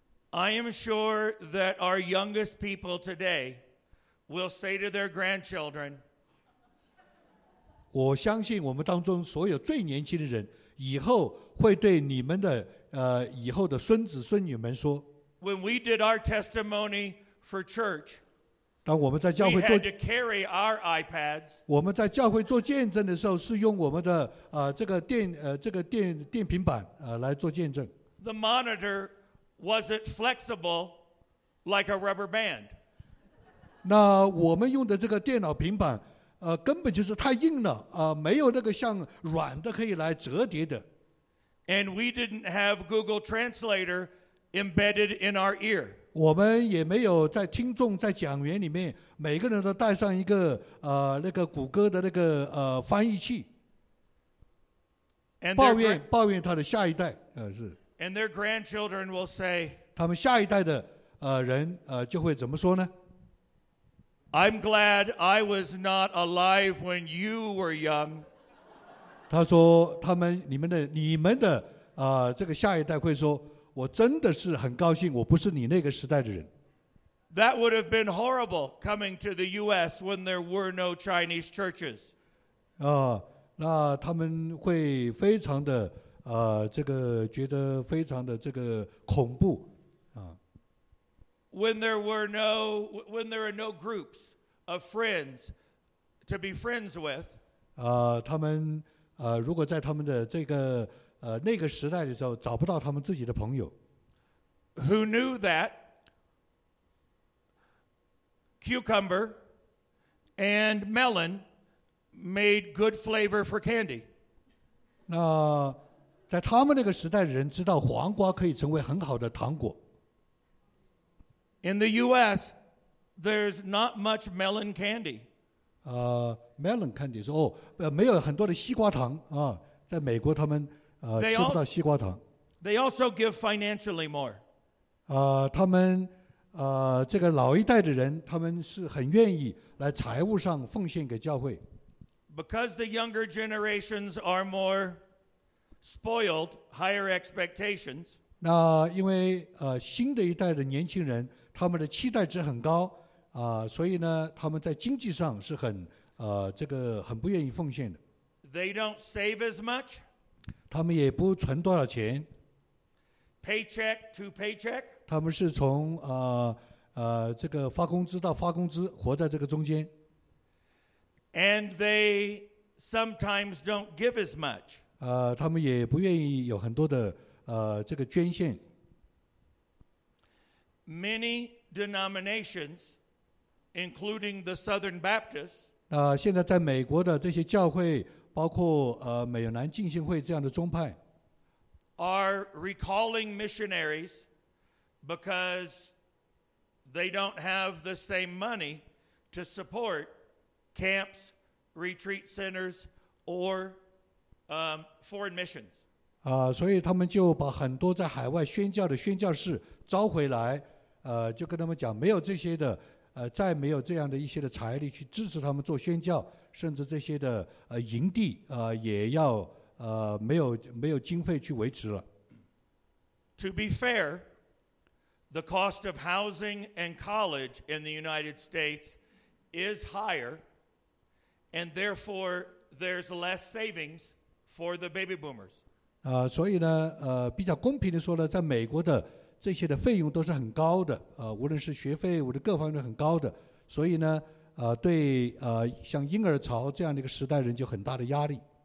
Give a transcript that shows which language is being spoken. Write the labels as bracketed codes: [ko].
[en] I am sure that our youngest people today. Will say to their grandchildren. [zh] 我相信我们当中所有最年轻的人，以后会对你们的以后的孙子孙女们说。 [en] When we did our testimony for church, [zh] 当我们在教会做 [en] we had to carry our iPads. [zh] 我们在教会做见证的时候，是用我们的电平板来做见证。 [en] The monitor wasn't flexible like a rubber band. [zh] 那我们用的这个电脑平板根本就是太硬了没有那个像软的可以来折叠的。 [en] And we didn't have Google Translator embedded in our ear. [zh] 我们也没有在听众在讲员里面每个人都带上一个那个谷歌的那个翻译器。 [en] And [zh] 抱怨他的下一代是。 [en] And their grandchildren will say, [zh] 他们下一代的人就会怎么说呢？ [en] I'm glad I was not alive when you were young. [zh] 他说他们你们的这个下一代会说，我真的是很高兴我不是你那个时代的人。 [en] That would have been horrible coming to the U.S. when there were no Chinese churches. [zh] 那他们会非常的这个觉得非常的这个恐怖。 [en] When there are no groups of friends to be friends with, [zh] 他们如果在他们的这个那个时代的时候找不到他们自己的朋友。 [en] Who knew that cucumber and melon made good flavor for candy? [zh] 那在他们那个时代的人知道黄瓜可以成为很好的糖果。 [en] In the U.S., there's not much melon candy. Melon candy is, [zh] 没有很多的西瓜糖啊，在美国他们吃不到西瓜糖。 [en] They also give financially more. [zh] 他们这个老一代的人，他们是很愿意来财务上奉献给教会。 [en] Because the younger generations are more spoiled, higher expectations. [zh] 那因为新的一代的年轻人。他们的期待值很高所以呢他们在经济上是很这个很不愿意奉献的。 [en] They don't save as much. [zh] 他们也不存多少钱。 [en] Paycheck to paycheck. [zh] 他们是从这个发工资到发工资，活在这个中间。 [en] And they sometimes don't give as much. [zh] 他们也不愿意有很多的这个捐献。 [en] Many denominations, including the Southern Baptists. [zh] 现在在美国的这些教会。包括美南浸信会这样的宗派 [en] are recalling missionaries because they don't have the same money to support camps, retreat centers, or foreign missions. [zh] 所以他们就把很多在海外宣教的宣教士招回来，就跟他们讲，没有这些的，再没有这样的一些的财力去支持他们做宣教。甚至这些的营地也要没有经费去维持了。 [en] To be fair, the cost of housing and college in the United States is higher, and therefore there's less savings for the baby boomers. [zh] 所以呢比较公平的说呢，在美国的这些的费用都是很高的，无论是学费或者各方面很高的，所以呢。对像婴儿潮这样的一个时代人就很大的压力。